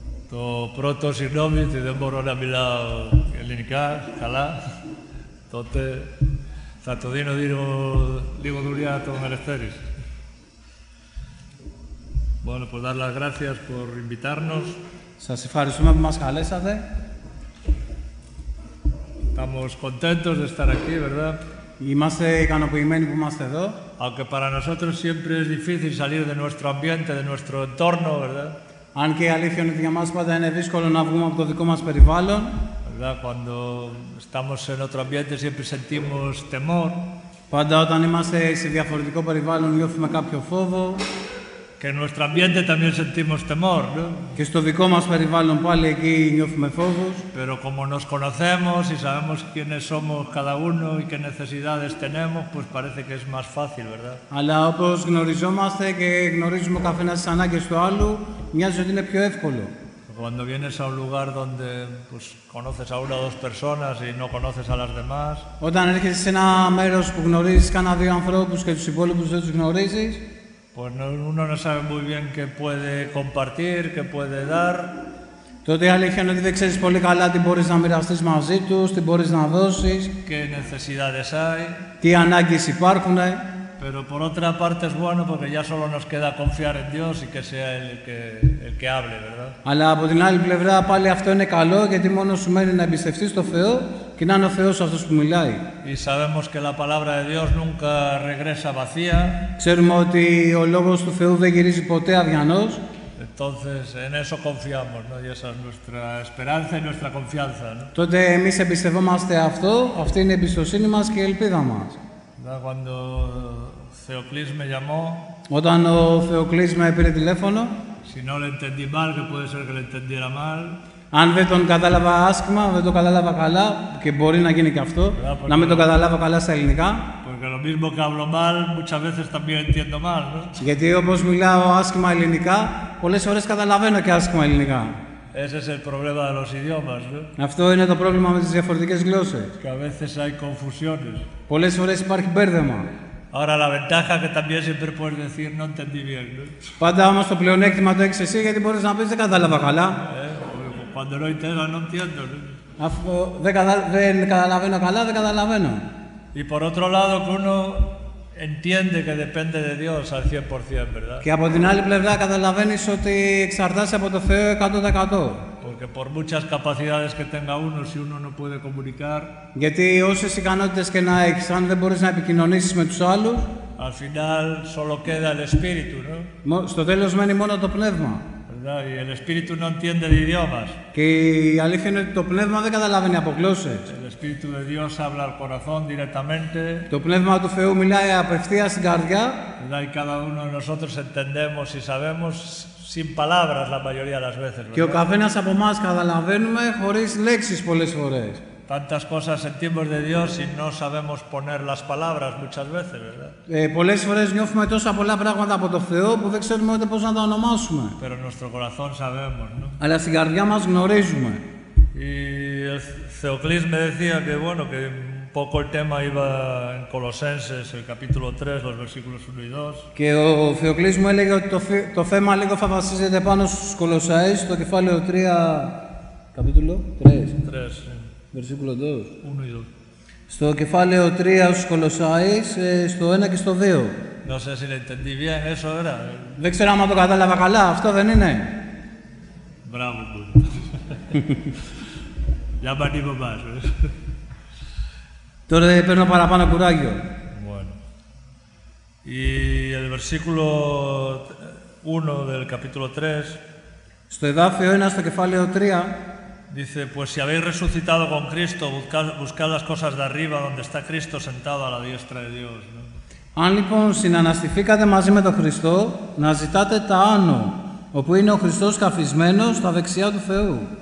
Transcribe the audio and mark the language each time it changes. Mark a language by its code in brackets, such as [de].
[el] Το πρώτο, συγγνώμη, ότι δεν μπορώ να μιλάω ελληνικά καλά. Τότε θα το δίνω λίγο δουλειά το Μελευθέρης. [es] Bueno, pues dar las gracias por invitarnos. [el] Σας ευχαριστούμε που μας καλέσατε. [es] Estamos contentos de estar aquí, ¿verdad? [el] Είμαστε ικανοποιημένοι που είμαστε εδώ. [es] Aunque para nosotros siempre es difícil salir de nuestro ambiente, de nuestro entorno, ¿verdad? [el] Αν και η αλήθεια είναι ότι για μας πάντα είναι δύσκολο να βγούμε από το δικό μας περιβάλλον. [es] ¿Verdad? Cuando estamos en otro ambiente siempre sentimos temor. [el] Πάντα όταν είμαστε σε διαφορετικό περιβάλλον νιώθουμε κάποιο φόβο. [es] Και nuestro ambiente también sentimos temor, ¿no? [el] Και στο δικό μας περιβάλλον πάλι εκεί νιώθουμε φόβους. [es] Pero como nos conocemos y sabemos quiénes somos cada uno y qué necesidades tenemos, pues parece que es más fácil, ¿verdad? [el] Αλλά όπως γνωριζόμαστε και γνωρίζουμε ο καθένας τις ανάγκες του άλλου, μοιάζει ότι είναι πιο εύκολο. [es] Cuando vienes a un lugar donde pues, conoces a una o dos personas y no conoces a las demás. [el] Όταν έρχεσαι σε ένα μέρος που γνωρίζεις κανένα δύο ανθρώπους και τους υπόλοιπους δεν τους γνωρίζεις. [es] Pues no, uno no sabe muy bien qué puede compartir, qué puede dar. [el] Τότε η αλήθεια είναι ότι δεν ξέρεις πολύ καλά τι μπορείς να μοιραστείς μαζί τους, τι μπορείς να δώσεις. [es] Qué necesidades hay. [el] Τι ανάγκες υπάρχουν. [es] Pero por otra parte es bueno porque ya solo nos queda confiar en Dios y que sea el que hable, ¿verdad? [el] Αλλά από την άλλη πλευρά πάλι αυτό είναι καλό γιατί μόνο σου μένει να εμπιστευτείς τον Θεό και να είναι ο Θεός αυτός που μιλάει. [es] Y sabemos que la palabra de Dios nunca regresa vacía. [el] Ξέρουμε ότι ο λόγος του Θεού δεν γυρίζει ποτέ αδιανός. [es] Entonces en eso confiamos, ¿no? Y esa es nuestra esperanza y nuestra confianza, ¿no? [el] Τότε εμείς εμπιστευόμαστε αυτό, αυτή είναι η εμπιστοσύνη μας και η ελπίδα μας. [es] Cuando Θεοκλής με llamó. [el] Όταν ο Θεοκλής με πήρε τηλέφωνο. [es] Si no le entendí mal, que puede ser que le entendiera mal. [el] Αν δεν τον κατάλαβα άσχημα, δεν τον κατάλαβα καλά, και μπορεί να γίνει και αυτό, να μην τον καταλάβω καλά στα ελληνικά. [es] Porque lo mismo que hablo mal, muchas veces también entiendo mal, ¿no? [el] Γιατί όπως μιλάω άσχημα ελληνικά, πολλές φορές καταλαβαίνω και άσχημα ελληνικά. [es] Ese es el problema de los idiomas, ¿no? [el] Αυτό είναι το πρόβλημα με τις διαφορετικές γλώσσες. [es] Que a veces hay confusiones. [el] Πολλές φορές υπάρχει μπέρδεμα. [es] Ahora la ventaja que también siempre puedes decir no entendí bien, ¿no? [el] Πάντα όμως το πλεονέκτημα το έχεις εσύ γιατί μπορείς να πεις δεν κατάλαβα καλά. [es] Cuando no entiendo, no entiendo, ¿no? [el] Αφού δεν καταλαβαίνω καλά, δεν καταλαβαίνω. [es] Y por otro lado que uno entiende que depende de Dios al 100%, ¿verdad? [el] Και από την άλλη πλευρά καταλαβαίνεις ότι εξαρτάσαι από το Θεό 100%. [es] Porque por muchas capacidades que tenga uno, si uno no puede comunicar. [el] Γιατί όσες ικανότητες και να έχεις, αν δεν μπορείς να επικοινωνήσεις με τους άλλους. [es] Al final solo queda el espíritu, ¿no? [el] Στο τέλος μένει μόνο το πνεύμα. [es] Y el espíritu no entiende de idiomas. [el] Και η αλήθεια είναι ότι το πνεύμα δεν καταλαβαίνει από γλώσσες. [es] El espíritu de Dios habla al corazón directamente. [el] Το πνεύμα του Θεού μιλάει απευθείας στην καρδιά. [es] Y cada uno de nosotros entendemos y sabemos sin palabras la mayoría de las veces. [el] Και ο καθένας από εμάς καταλαβαίνουμε χωρίς λέξεις πολλές φορές. [es] Tantas cosas sentimos de Dios y no sabemos poner las palabras muchas veces, ¿verdad? [el] Πολλές φορές νιώθουμε τόσα πολλά πράγματα από το Θεό που δεν ξέρουμε ούτε πώς να τα ονομάσουμε. [es] Pero nuestro corazón sabemos, ¿no? [el] Αλλά στην καρδιά μας γνωρίζουμε. [es] Y el Θεοκλής me decía que bueno, que poco el tema iba en Colosenses, el capítulo 3, los versículos 1 y 2. [el] Και ο Θεοκλής μου έλεγε ότι το θέμα λίγο θα βασίζεται πάνω στους Κολοσσαίους, το κεφάλαιο 3, καπίτουλο 3. [es] Βερσίκουλο 2. [el] Στο κεφάλαιο 3 στους Κολοσσαίους, στο 1 και στο 2. [es] No sé si lo entendí bien, eso era. [el] Δεν ξέρω αν το κατάλαβα καλά, αυτό δεν είναι. Μπράβο. Για πάνω από εμάς. Τώρα παίρνω παραπάνω κουράγιο. [es] Bueno. Y el versículo 1 del capítulo 3. [el] Στο εδάφιο 1, στο κεφάλαιο 3. [es] Dice, pues si habéis resucitado con Cristo, buscad las cosas de arriba, donde está Cristo sentado a la diestra de Dios. ¿No? [el] Αν λοιπόν συναναστηθήκατε μαζί με τον Χριστό, να ζητάτε τα άνω, όπου είναι ο Χριστός καθισμένος στα δεξιά του Θεού.